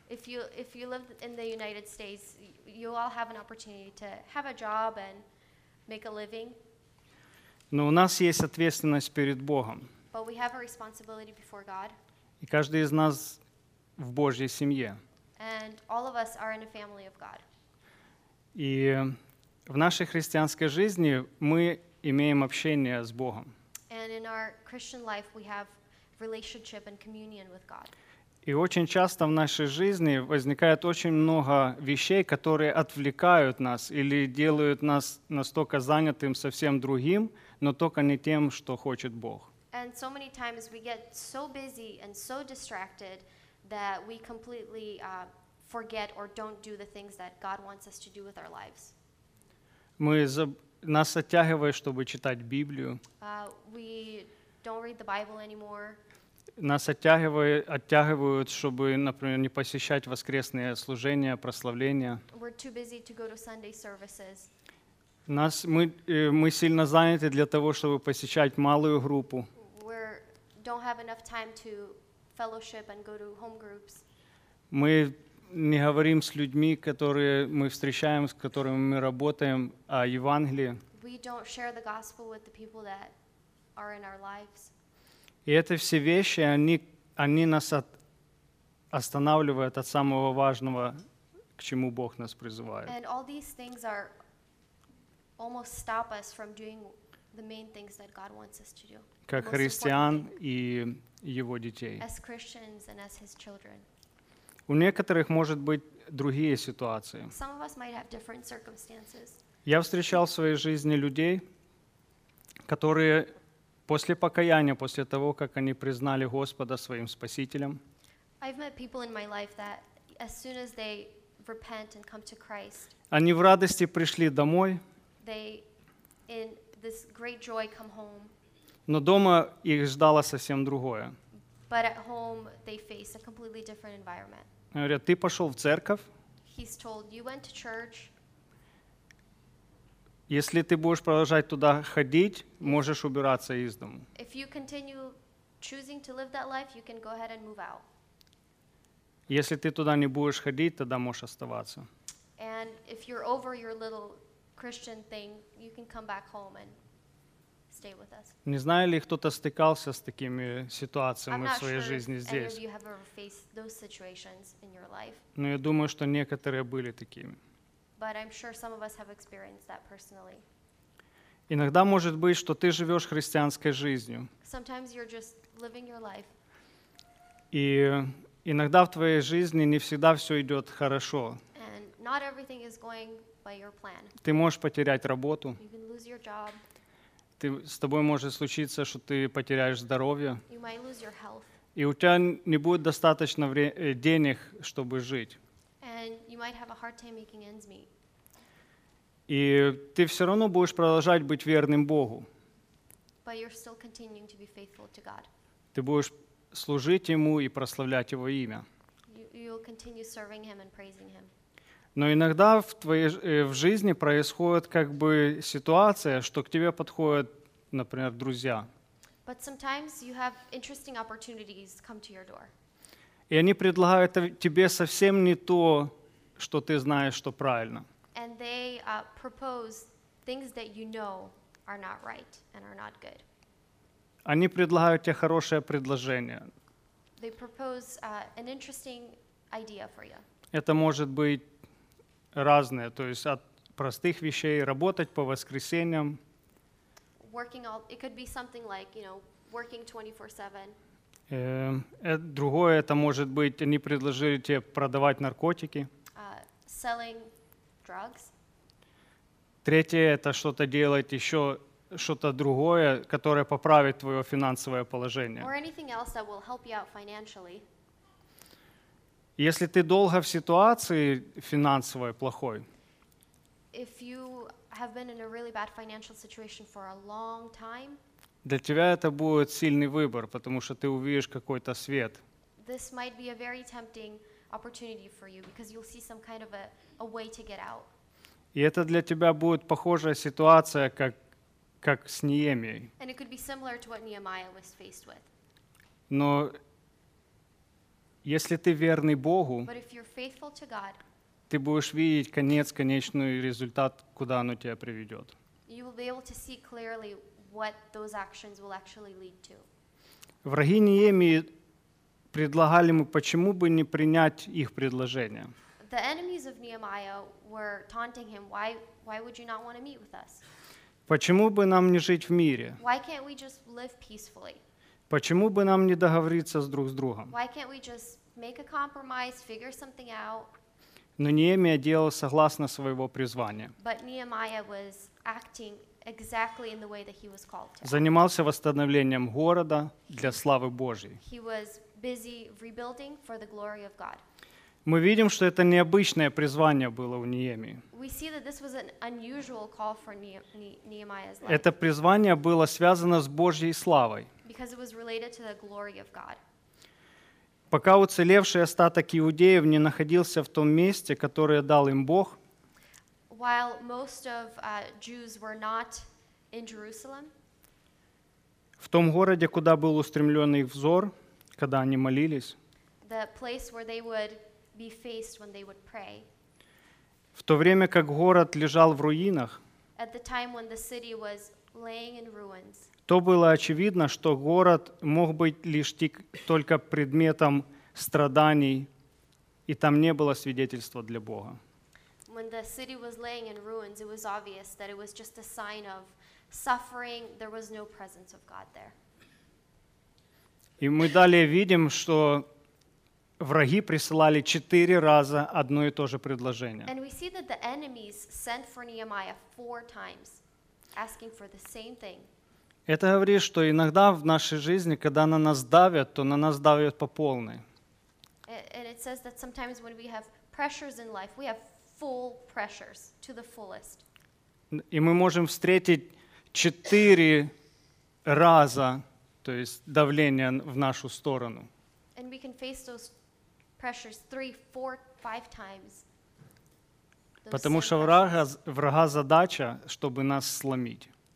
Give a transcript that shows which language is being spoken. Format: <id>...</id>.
<en>If you live in the United States, you all have an opportunity to have a job and make a living.</en> <ru>Но у нас есть ответственность перед Богом.</ru> <en>But we have a responsibility before God.</en> <ru>И каждый из нас в Божьей семье.</ru> <en>And all of us are in a family of God.</en> <ru>И в нашей христианской жизни мы имеем общение с Богом.</ru> <en>And in our Christian life, we have relationship and communion with God.</en> <ru>И очень часто в нашей жизни возникает очень много вещей, которые отвлекают нас или делают нас настолько занятым совсем другим, но только не тем, что хочет Бог.</ru> <en>And so many times we get so busy and so distracted that we completely forget or don't do the things that God wants us to do with our lives.</en> <ru>Нас оттягивает, чтобы читать Библию.</ru> <en>We don't read the Bible anymore.</en> <ru>Нас оттягивают, чтобы, например, не посещать воскресные служения, прославления.</ru> <en>We're too busy to go to Sunday services.</en> <ru>Мы сильно заняты для того, чтобы посещать малую группу.</ru> <en>We don't have enough time to fellowship and go to home groups.</en> <ru>Мы не говорим с людьми, которые мы встречаем, с которыми мы работаем, о Евангелии.</ru> <en>We don't share the gospel with the people that are in our lives.</en> <ru>И это все вещи, они нас останавливают от самого важного, к чему Бог нас призывает.</ru> <en>And all these things are almost stop us from doing the main things that God wants us to do.</en> <ru>Как христиан и его детей.</ru> <en>As Christians and as his children.</en> <ru>У некоторых может быть другие ситуации.</ru> <en>Some of us might have different circumstances.</en> <ru>Я встречал в своей жизни людей, которые после покаяния, после того, как они признали Господа своим спасителем,</ru> <en>I've met people in my life that as soon as they repent and come to Christ,</en> <ru>они в радости пришли домой,</ru> <en>they in this great joy come home,</en> <ru>но дома их ждало совсем другое.</ru> <en>But at home they face a completely different environment.</en> <ru>Говорят, ты пошел в церковь.</ru> <en>He's told, you went to church.</en> <ru>Если ты будешь продолжать туда ходить, можешь убираться из дому.</ru> <en>If you continue choosing to live that life, you can go ahead and move out.</en> <ru>Если ты туда не будешь ходить, тогда можешь оставаться.</ru> <en>And if you're over your little Christian thing, you can come back home and stay with us.</en> <ru>Не знаю, ли кто-то стыкался с такими ситуациями в своей жизни здесь.</ru> <en>I'm not sure if any of you have ever faced those situations in your life.</en> <ru>Но я думаю, что некоторые были такими.</ru> <en>But I'm sure some of us have experienced that personally.</en> <ru>Иногда может быть, что ты живешь христианской жизнью.</ru> <en>Sometimes you're just living your life.</en> <ru>И иногда в твоей жизни не всегда все идет хорошо.</ru> <en>And not everything is going by your plan.</en> <ru>Ты можешь потерять работу.</ru> <en>You can lose your job.</en> <ru>С тобой может случиться, что ты потеряешь здоровье.</ru> <en>You might lose your health.</en> <ru>И у тебя не будет достаточно денег, чтобы жить.</ru> <en>And you might have a hard time making ends meet.</en> <ru>И ты все равно будешь продолжать быть верным Богу.</ru> <en>But you're still continuing to be faithful to God.</en> <ru>Ты будешь служить Ему и прославлять Его имя.</ru> <en>You'll continue serving Him and praising Him.</en> <ru>Но иногда в жизни происходит как бы ситуация, что к тебе подходят, например, друзья.</ru> <en>But sometimes you have interesting opportunities come to your door.</en> <ru>И они предлагают тебе совсем не то, что ты знаешь, что правильно.</ru> <en>And they propose things that you know are not right and are not good.</en> <ru>Они предлагают тебе хорошее предложение.</ru> <en>They propose an interesting idea for you.</en> <ru>Это может быть разные, то есть от простых вещей работать по воскресеньям.</ru> <en>It could be something like, you know, working 24/7.</en> <ru>Другое, это может быть, они предложили тебе продавать наркотики.</ru> <en>Selling drugs.</en> <ru>Третье, это что-то делать еще что-то другое, которое поправит твое финансовое положение.</ru> <en>Or anything else that will help you out financially.</en> <ru>Если ты долго в ситуации финансовой плохой,</ru> <en>if you have been in a really bad financial situation for a long time,</en> <ru>для тебя это будет сильный выбор, потому что ты увидишь какой-то свет.</ru> <en>This might be a very tempting opportunity for you because you'll see some kind of a way to get out.</en> <ru>И это для тебя будет похожая ситуация, как с Неемией.</ru> <en>And it could be similar to what Nehemiah was faced with.</en> <ru>Но если ты верный Богу,</ru> <en>but if you're faithful to God,</en> <ru>ты будешь видеть конечный результат, куда оно тебя приведет.</ru> <en>You will be able to see clearly what those actions will actually lead to.</en> <ru>Враги Неемии предлагали ему, почему бы не принять их предложение.</ru> <en>The enemies of Nehemiah were taunting him, why would you not want to meet with us?</en> <ru>Почему бы нам не жить в мире?</ru> <en>Why can't we just live peacefully?</en> <ru>Почему бы нам не договориться с друг с другом?</ru> <en>Why can't we just make a compromise, figure something out?</en> <ru>Но Неемия делал согласно своего призвания.</ru> <en>But Nehemiah was acting exactly in the way that he was called to.</en> <ru>Занимался восстановлением города для славы Божьей.</ru> <en>He was busy rebuilding for the glory of God.</en> <ru>Мы видим, что это необычное призвание было у Неемии.</ru> <en>We see that this was an unusual call for Nehemiah's life.</en> <ru>Это призвание было связано с Божьей славой.</ru> <en>Because it was related to the glory of God.</en> <ru>Пока уцелевший остаток иудеев не находился в том месте, которое дал им Бог,</ru> <en>while most of Jews were not in Jerusalem,</en> <ru>в том городе, куда был устремлен их взор, когда они молились,</ru> <en>the place where they would be faced when they would pray,</en> <ru>в то время как город лежал в руинах,</ru> <en>at the time when the city was laying in ruins,</en> <ru>то было очевидно, что город мог быть лишь только предметом страданий, и там не было свидетельства для Бога.</ru> <en>When the city was laying in ruins, it was obvious that it was just a sign of suffering. There was no presence of God there.</en> <ru>И мы далее видим, что враги присылали четыре раза одно и то же предложение.</ru> <en>And we see that the enemies sent for Nehemiah four times, asking for the same thing.</en> <ru>Это говорит, что иногда в нашей жизни, когда на нас давят, то на нас давят по полной.</ru> <en>And it says that sometimes when we have pressures in life, we have full pressures to the fullest.</en> <ru>И мы можем встретить четыре раза, то есть давление в нашу сторону.</ru> <en>And we can face those pressures three, four, five times.</en> <ru>Потому что врага задача, чтобы нас сломить.</ru>